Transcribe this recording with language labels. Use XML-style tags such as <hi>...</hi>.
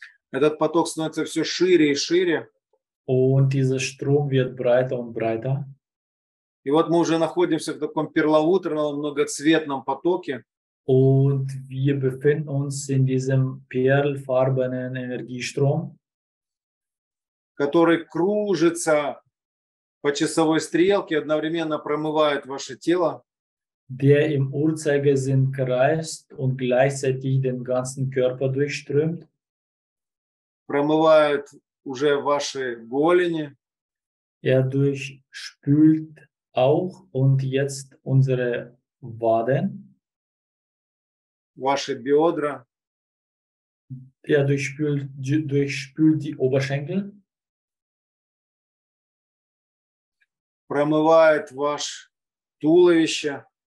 <ru>Этот поток становится все шире и шире.</ru> <de>Und dieser Strom wird breiter und breiter.</de> <ru>И вот мы уже находимся в таком перламутровом многоцветном потоке.</ru> <de>Und wir befinden uns in diesem perlfarbenen Energiestrom,</de> <ru>который кружится по часовой стрелке, одновременно промывают ваше тело.</ru> <de>Der im Uhrzeigersinn kreist und gleichzeitig den ganzen Körper durchströmt.</de> <ru>Промывает уже ваши голени.</ru> <de>Er durchspült auch und jetzt unsere Waden.</de> <ru>Ваши бедра.</ru> <de>Er durchspült die Oberschenkel.</de> <ru>Промывает ваш туловище.</ru>